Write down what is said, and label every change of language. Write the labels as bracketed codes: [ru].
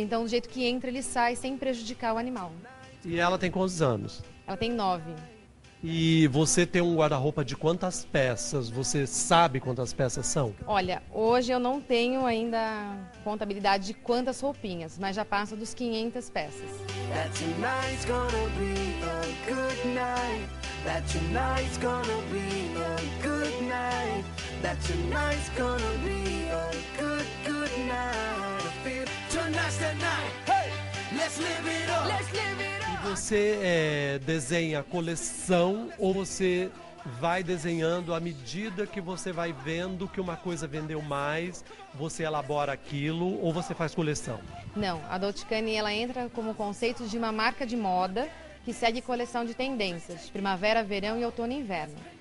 [pt] Então, do jeito que entra, ele sai sem prejudicar o animal. E ela tem quantos anos? Ela tem 9. E você tem um guarda-roupa de quantas peças? Você sabe quantas peças são? Olha, hoje eu não tenho ainda contabilidade de quantas roupinhas, mas já passa dos 500 peças. [en] That tonight's gonna be a good night. That tonight's gonna be a good night. That tonight's gonna be a good, good night. Tonight's the night. Hey! Let's live it up. Let's live it up. [pt] E você desenha coleção ou você vai desenhando à medida que você vai vendo que uma coisa vendeu mais, você elabora aquilo ou você faz coleção? Não, a Dolce & Gabbana, ela entra como conceito de uma marca de moda que segue coleção de tendências, primavera, verão e outono e inverno.